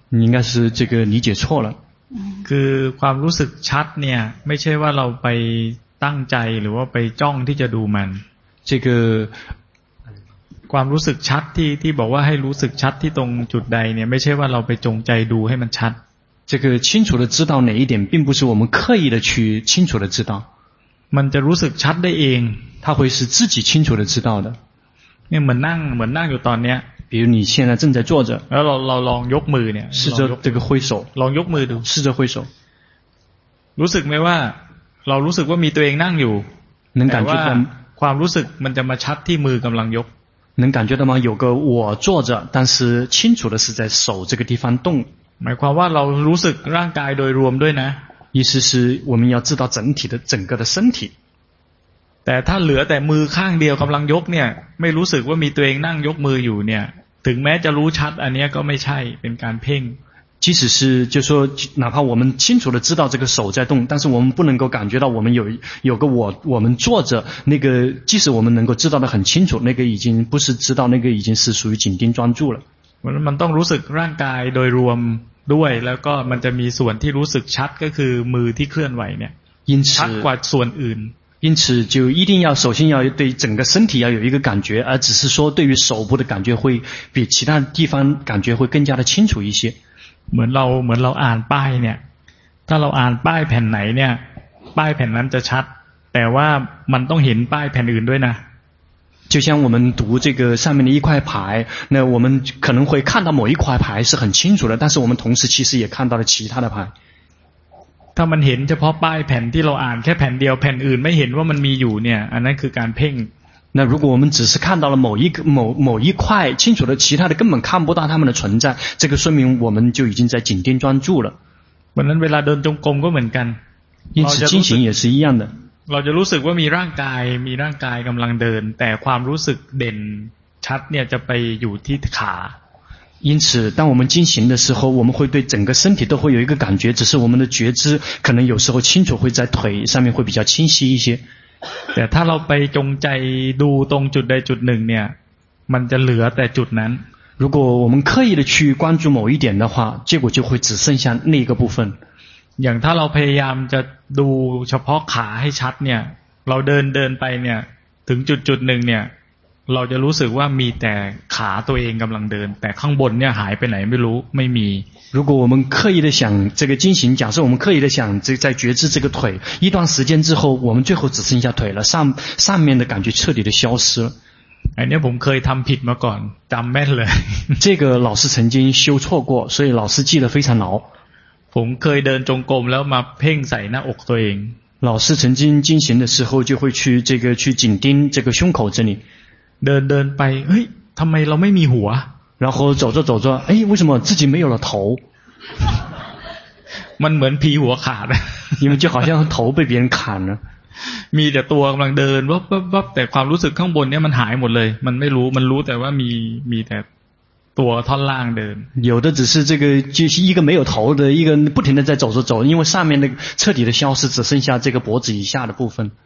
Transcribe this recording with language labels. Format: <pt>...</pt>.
<zh>应该是这个理解错了</zh> <th>คือความรู้สึกชัดเนี่ยไม่ใช่ว่าเราไปตั้งใจหรือว่าไปจ้องที่จะดูมัน</th> <zh>这个</zh> <th>ความรู้สึกชัดที่บอกว่าให้รู้สึกชัดที่ตรงจุดใดเนี่ยไม่ใช่ว่าเราไปจงใจดูให้มันชัด</th> <zh>这个清楚的知道哪一点并不是我们刻意的去清楚的知道</zh> <th>มันจะรู้สึกชัดได้เอง</th> <zh>它会是自己清楚的知道的</zh> <th>เนี่ยเหมือนนั่งอยู่ตอนเนี้ย</th> <zh>比如你现在正在坐着</zh> <th>แล้วเราลองยกมือเนี่ย</th> <zh>试着这个挥手</zh> <th>ลองยกมือดู</th> <zh>试着挥手</zh> <th>รู้สึกไหมว่าเรารู้สึกว่ามีตัวเองนั่งอยู่</th> <zh>能感觉到</zh> <th>ความรู้สึกมันจะมาชัดที่มือกำลังยก</th> <zh>能感觉到吗有个我坐着但是清楚的是在手这个地方动</zh> <th>หมายความว่าเรารู้สึกร่างกายโดยรวมด้วยนะ</th> <zh>意思是我们要知道整体的整个的身体。</zh> <th>แต่ถ้าเหลือแต่มือข้างเดียวกำลังยกเนี่ยไม่รู้สึกว่ามีตัวเองนั่งยกมืออยู่เนี่ยถึงแม้จะรู้ชัดอันนี้ก็ไม่ใช่เป็นการเพ่ง</th> <zh>即使是就说哪怕我们清楚的知道这个手在动但是我们不能够感觉到我们有个我们坐着那个即使我们能够知道的很清楚那个已经不是知道那个已经是属于紧盯专注了</zh> <th>มันต้องรู้สึกร่างกายโดยรวมด้วยแล้วก็มันจะมีส่วนที่รู้สึกชัดก็คือมือที่เคลื่อนไหวเนี่ยชั ดกว่าส่วนอื่น</th> <zh>因此就一定要首先要对整个身体要有一个感觉而只是说对于手部的感觉会比其他地方感觉会更加的清楚一些</zh> <th>เหมือนเราอ่านป้ายเนี่ยถ้าเราอ่านป้ายแผ่นไหนเนี่ยป้ายแผ่นนั้นจะชัดแต่ว่ามันต้องเห็นป้ายแผ่นอื่นด้วยนะ</th> <zh>就像我们读这个上面的一块牌那我们可能会看到某一块牌是很清楚的但是我们同时其实也看到了其他的牌</zh> <th>ถ้ามันเห็นเฉพาะป้ายแผ่นที่เราอ่านแค่แผ่นเดียวแผ่นอื่นไม่เห็นว่ามันมีอยู่เนี่ยอันนั้นคือการเพ่ง</th> <zh>那如果我们只是看到了某一块清楚的其他的根本看不到它们的存在这个说明我们就已经在紧盯专注了</zh> <th>วันนั้นเวลาเดินจงกรมก็เหมือนกัน</th> <zh>因此进行也是一样的</zh> <th>เราจะรู้สึกว่ามีร่างกายกำลังเดินแต่ความรู้สึกเด่นชัดเนี่ยจะไปอยู่ที่ขา</th> <zh>因此当我们进行的时候我们会对整个身体都会有一个感觉只是我们的觉知可能有时候清楚会在腿上面会比较清晰一些</zh> <th>แต่ถ้าเราไปจงใจดูตรงจุดใดจุดหนึ่งเนี่ยมันจะเหลือแต่จุดนั้น</th> <zh>如果我们刻意的去关注某一点的话结果就会只剩下那个部分</zh> <th>อย่างถ้าเราพยายามจะดูเฉพาะขาให้ชัดเนี่ยเราเดินไปเนี่ยถึงจุดหนึ่งเนี่ยเราจะรู้สึกว่ามีแต่ขาตัวเองกำลังเดินแต่ข้างบนเนี่ยหายไปไหนไม่รู้ไม่มี</th> <zh>如果我们刻意的想这个进行假设我们刻意的想在觉知这个腿一段时间之后我们最后只剩下腿了上面的感觉彻底的消失了</zh> <th>ไอ้เนี่ยผมเคยทำผิดมาก่อนจำแม่นเลย</th> <zh>这个老师曾经修错过所以老师记得非常牢</zh> <th>ผมเคยเดินจงกรมแล้วมาเพ่งใส่หน้าอกตัวเอง</th> <zh>老师曾经进行的时候就会去这个去紧盯这个胸口这里</zh> <th>เดินไปเฮ้ยทำไมเราไม่มีหัว</th> <zh>然后走着</zh> <th>เอ้ย</th> <zh>为什么自己没有了头</zh> <th>มันเหมือนผีหัวขาด</th> <zh>因为就好像头被别人砍了</zh> <th>มีแต่ตัวกำลังเดินวับวับวับแต่ความรู้สึกข้างบนเนี่ยมันหายหมดเลยมันไม่รู้มันรู้แต่ว่ามีแต่ตัวท่อนล่างเดิน</th> <zh>有的只是这个就是一个没有头的一个不停的在走因为上面的彻底的消失只剩下这个脖子以下的部分</zh>